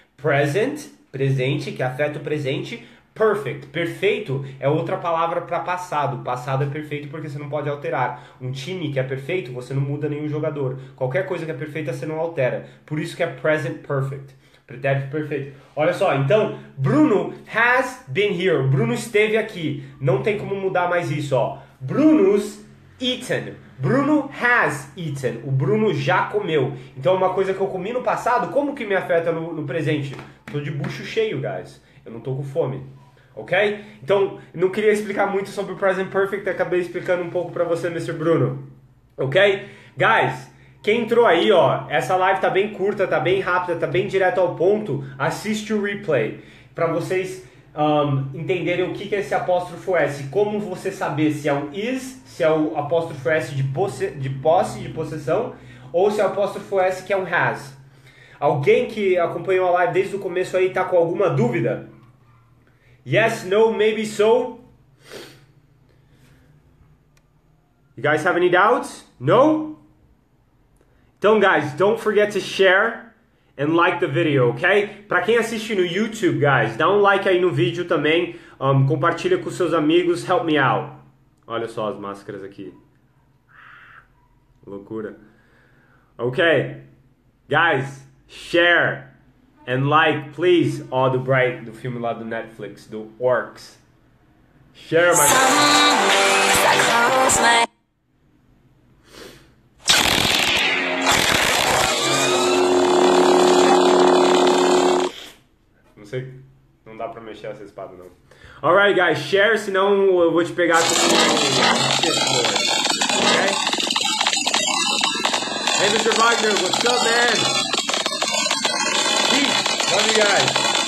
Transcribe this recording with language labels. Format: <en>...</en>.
<pt>Present, presente, que afeta o presente. Perfect, perfeito é outra palavra para passado. Passado é perfeito porque você não pode alterar. Um time que é perfeito, você não muda nenhum jogador. Qualquer coisa que é perfeita, você não altera. Por isso que é present perfect. Pretérito perfeito. Olha só, então,</pt> <en>Bruno has been here.</en> <pt>Bruno esteve aqui. Não tem como mudar mais isso, ó.</pt> <en>Bruno's eaten. Bruno has eaten.</en> <pt>O Bruno já comeu. Então, uma coisa que eu comi no passado, como que me afeta no presente? Tô de bucho cheio, guys. Eu não tô com fome. Ok? Então, não queria explicar muito sobre o Present Perfect, acabei explicando um pouco para você, Mr. Bruno. Ok? Guys, quem entrou aí, ó, essa live tá bem curta, tá bem rápida, tá bem direto ao ponto, assiste o replay para vocês entenderem o que é esse apóstrofo S, como você saber se é um is, se é o apóstrofo S de posse, de possessão, ou se é o apóstrofo S que é um has. Alguém que acompanhou a live desde o começo aí tá com alguma dúvida?</pt> <en>Yes, no, maybe so. You guys have any doubts? No?</en> <pt>Então,</pt> <en>guys, don't forget to share and like the video, ok?</en> <pt>Para quem assiste no YouTube, guys, dá um like aí no vídeo também. Compartilha com seus amigos.</pt> <en>Help me out.</en> <pt>Olha só as máscaras aqui. Loucura.</pt> <en>Ok. Guys, share. And like, please, all the bright</en> <pt>do filme lá do Netflix, do Orcs.</pt> <en>Share, my guy.</en> <pt>Não sei. Não dá pra mexer essa espada, não.</pt> <en>Alright, guys, share,</en> <pt>senão eu vou te pegar com o.</pt> <en>Ok? Hey, Mr. Wagner, what's up, man? Love you guys.</en>